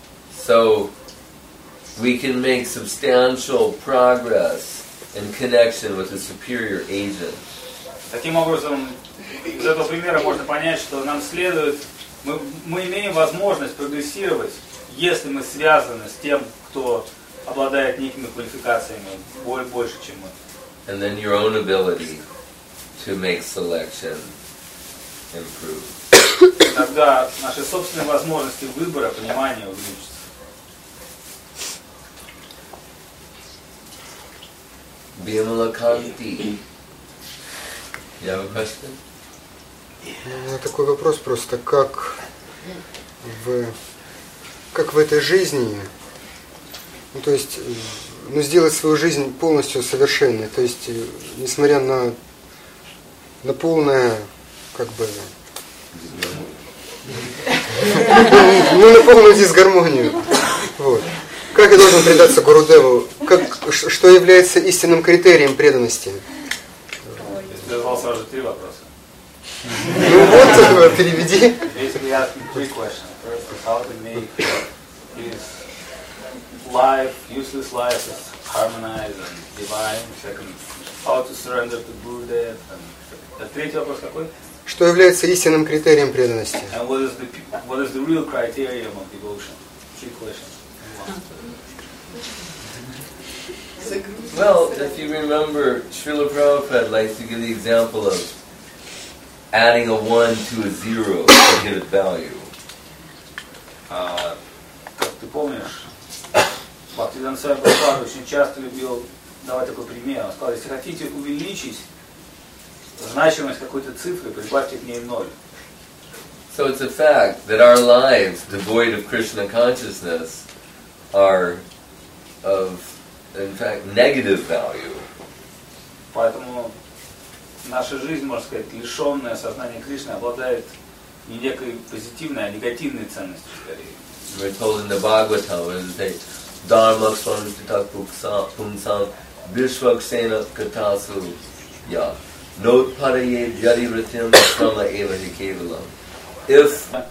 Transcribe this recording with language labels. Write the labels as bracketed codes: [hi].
[en] So we can make substantial progress in connection with a superior agent. [ru] Таким образом, из этого примера можно понять, что нам следует. Мы имеем возможность прогрессировать, если мы связаны с тем, кто обладает некими квалификациями больше, чем мы. [en] And then your own ability to make selection improve. [ru] Тогда наши собственные возможности выбора, понимания увеличатся. [en] Bimala Kanti. You have a question? [ru] У меня такой вопрос просто, как в этой жизни, ну то есть, ну сделать свою жизнь полностью совершенной, то есть, несмотря на полное, как бы, ну на полную дисгармонию, вот. Как я должен предаться Гурудеву, что является истинным критерием преданности? Я задавал сразу три вопроса. [en] Basically asking three questions. First, how to make his life, useless life, harmonized and divine. Second, how to surrender to Gurudev. And the [ru] третий вопрос какой? Что является истинным критерием преданности? [en] And what is the real criterion of devotion? Three questions. Well, if you remember, Srila Prabhupada likes to give the example of adding a 1 to a 0 to get a value. [ru] Как ты помнишь, Бхактивинода Свами Прабхупада очень часто любил давать такой пример. Он сказал, если хотите увеличить значимость какой-то цифры, прибавьте к ней 0. [en] So it's a fact that our lives, devoid of Krishna consciousness, are of, in fact, negative value. [ru] Поэтому наша жизнь, можно сказать, лишенная сознания Кришны, обладает не некой позитивной, а негативной ценностью, скорее. [en] We're told in the Bhagavatam, where they say, [sa] Dharma swami pitak pumsam vishvaksena katasu ya not paraye jari ritim kama eva hikevalam. [en] If